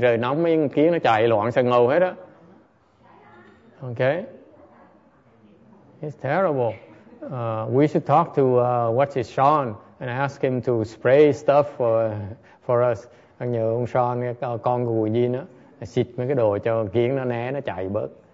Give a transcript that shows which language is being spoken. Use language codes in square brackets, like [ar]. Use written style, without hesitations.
[vi] Rồi nóng mấy kiến nó chạy loạn sang ngầu hết á. [en] Okay. It's terrible. We should talk to what's his Sean and ask him to spray stuff for us. [vi] Anh nhờ ông Sean, con của Quỳ Nhiên á, xịt mấy cái đồ cho kiến nó né, nó chạy bớt.